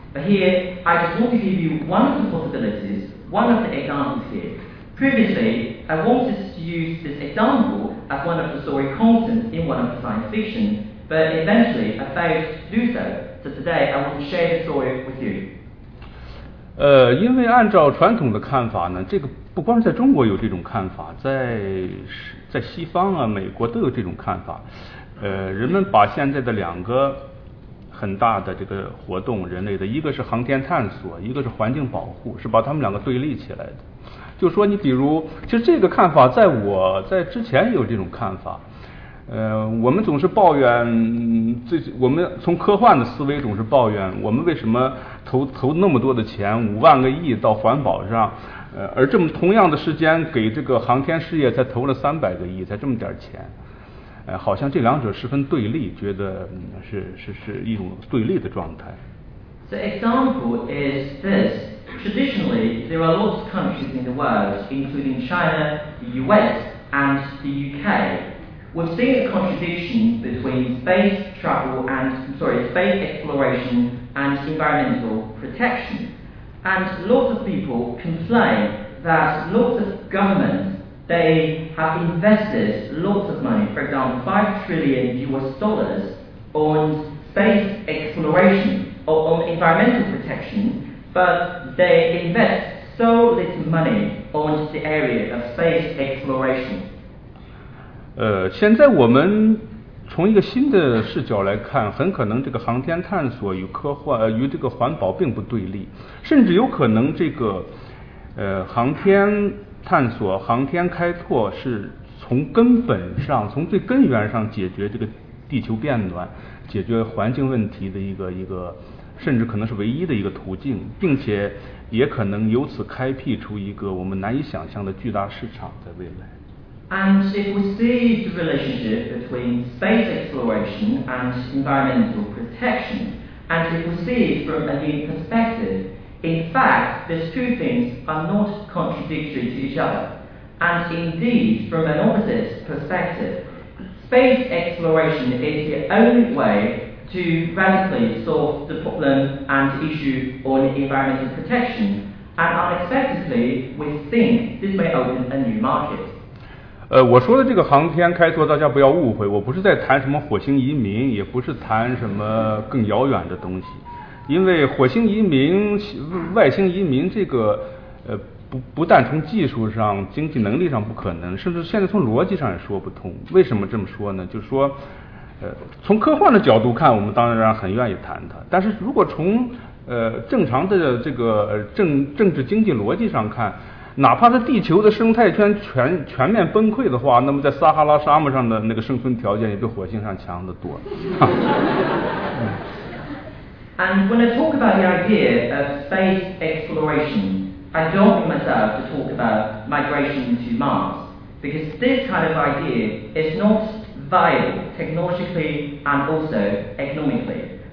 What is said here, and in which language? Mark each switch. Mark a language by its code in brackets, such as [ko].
[en] But here, I just want to give you one of the possibilities, one of the examples here. Previously, I wanted to use this example as one of the story contents in one of the science fiction, but eventually I failed to do so. So today, I want to share the story with you. [zh] 因为按照传统的看法呢，这个不光在中国有这种看法，在西方啊美国都有这种看法。人们把现在的两个很大的这个活动，人类的一个是航天探索，一个是环境保护，是把他们两个对立起来的。就说你比如其实这个看法在我在之前有这种看法。我们总是抱怨，我们从科幻的思维总是抱怨，我们为什么投那么多的钱，50000亿到环保上，而这么同样的时间给这个航天事业才投了300亿，才这么点钱，好像这两者十分对立，觉得是一种对立的状态。 [en] The example is this: traditionally, there are lots of countries in the world, including China, the US, and the UK. We've seen a contradiction between space travel and, space exploration and environmental protection. And lots of people complain that lots of governments, they have invested lots of money, for example, $5 trillion on space exploration or on environmental protection, but they invest so little money on the area of space exploration. [zh] 现在我们从一个新的视角来看，很可能这个航天探索与科幻与这个环保并不对立，甚至有可能这个航天探索、航天开拓是从根本上、从最根源上解决这个地球变暖、解决环境问题的一个，甚至可能是唯一的一个途径，并且也可能由此开辟出一个我们难以想象的巨大市场在未来。 [en] And if we see the relationship between space exploration and environmental protection, and if we see it from a new perspective, in fact, these two things are not contradictory to each other. And indeed, from an opposite perspective, space exploration is the only way to radically solve the problem and issue on environmental protection. And unexpectedly, we think this may open a new market. [zh] 我说的这个航天开拓，大家不要误会，我不是在谈什么火星移民，也不是谈什么更遥远的东西，因为火星移民、外星移民这个，不但从技术上、经济能力上不可能，甚至现在从逻辑上也说不通。为什么这么说呢？就是说，从科幻的角度看，我们当然很愿意谈它，但是如果从正常的这个政治经济逻辑上看。哪怕是地球的生态圈全面崩溃的话，那么在撒哈拉沙漠上的那个生存条件也比火星上强得多。 [en] And when I talk about the idea of space exploration, I don't mean myself to talk about migration to Mars. Because this kind of idea is not viable technologically and also economically.